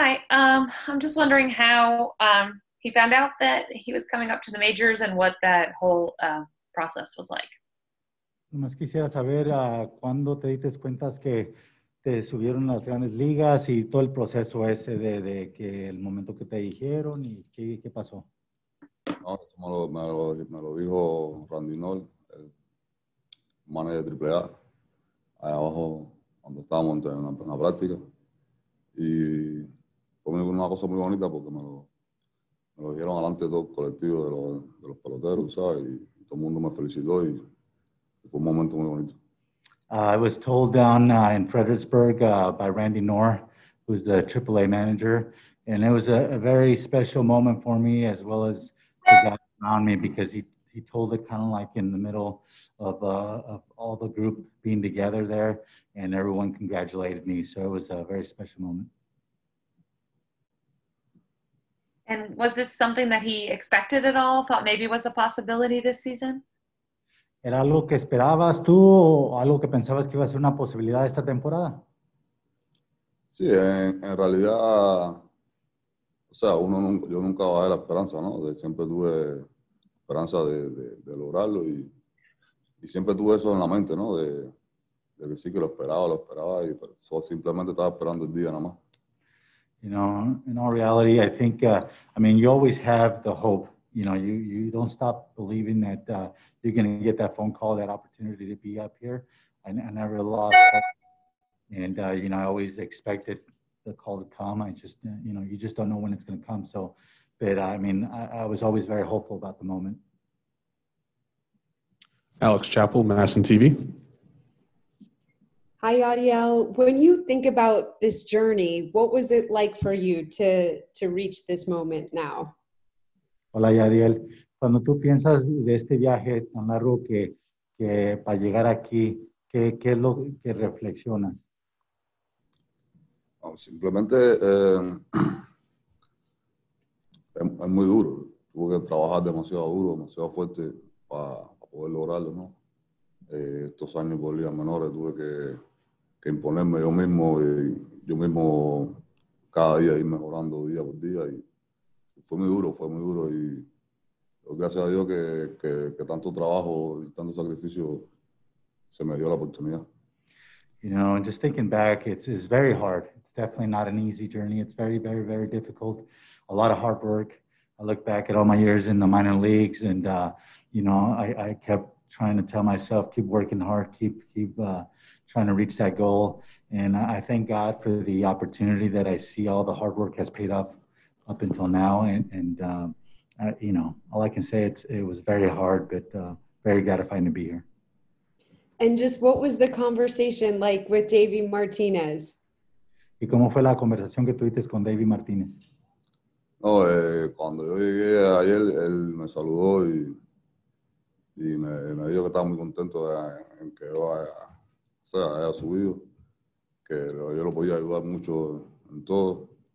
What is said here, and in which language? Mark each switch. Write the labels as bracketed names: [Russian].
[English] I'm just wondering how he found out that he was coming up to the majors and what that whole process was like. [Spanish] Más quisiera saber cuándo te diste cuentas que te subieron las grandes ligas y todo el proceso ese de que el momento que te dijeron y qué pasó. No, me lo dijo Randy Knoll, el manager de AAA, allá abajo, cuando estábamos en la práctica. Y fue una cosa muy bonita porque me lo dijeron adelante dos colectivos de los peloteros, ¿sabes? Y todo el mundo me felicitó y fue un momento muy bonito. [English] I was told down in Fredericksburg by Randy Knorr, who's the AAA manager, and it was a very special moment for me as well as the guys around me because he told it kind of like in the middle of all the group being together there, and everyone congratulated me. So it was a very special moment. And was this something that he expected at all? Thought maybe was a possibility this season? [Spanish] ¿Era algo que esperabas tú o algo que pensabas que iba a ser una posibilidad esta temporada? Sí, en realidad, o sea, yo nunca bajé la esperanza, ¿no? Siempre tuve esperanza de lograrlo y siempre tuve eso en la mente, ¿no? De decir que lo esperaba, pero solo simplemente estaba esperando el día nada más. [English] You know, in all reality, I think, I mean, you always have the hope. You know, you don't stop believing that you're going to get that phone call, that opportunity to be up here. I never lost hope. And, you know, I always expected the call to come. I just, you know, you just don't know when it's going to come. So, but I mean, I was always very hopeful about the moment. Alex Chappell, MASN TV. Hi, Yadiel. When you think about this journey, what was it like for you to reach this moment now? [Spanish] Hola, Yadiel. Cuando tú piensas de este viaje tan largo que para llegar aquí, ¿qué es lo que reflexionas? No, simplemente es muy duro. Tuve que trabajar demasiado duro, demasiado fuerte para pa poder lograrlo, ¿no? Estos años por ligas menores tuve que imponerme yo mismo y yo mismo cada día ir mejorando día por día y fue muy duro y gracias a Dios que tanto trabajo y tanto sacrificio se me dio la oportunidad. [English] You know, and just thinking back, it's very hard. It's definitely not an easy journey. It's very, very, very difficult. A lot of hard work. I look back at all my years in the minor leagues, and you know, I kept trying to tell myself, keep working hard, keep trying to reach that goal. And I thank God for the opportunity that I see. All the hard work has paid off up until now. And you know, all I can say it was very hard, but very gratifying to be here. And just what was the conversation like with Davey Martinez? [Spanish] ¿Y cómo fue la conversación que tuviste con David Martínez? No, cuando yo llegué ayer, él me saludó y me dijo que estaba muy contento en que yo haya subido, que yo lo podía ayudar mucho en todo.